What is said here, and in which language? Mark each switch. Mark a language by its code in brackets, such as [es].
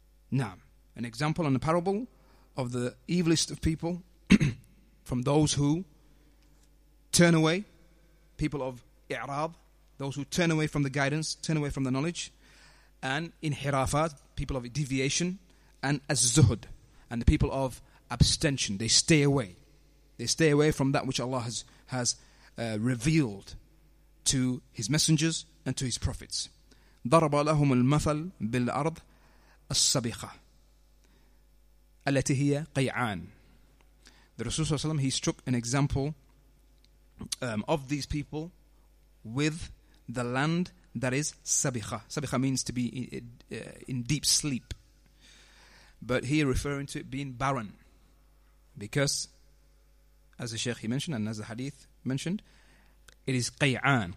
[en] Now, an example and a parable of the evilest of people from those who turn away, people of i'rab, those who turn away from the guidance, turn away from the knowledge, and inhirafat, people of deviation, and az-zuhud, and the people of abstention, they stay away. They stay away from that which Allah has revealed to His messengers and to His prophets. [ar] ضَرَبَ لَهُمُ الْمَثَلْ بِالْأَرْضِ السبيخة التي هي قيعان. [en] The Rasulullah ﷺ, he struck an example of these people with the land that is سبيخة. سبيخة means to be in deep sleep, but here referring to it being barren, because as the Shaykh he mentioned and as the Hadith mentioned, it is قيعان.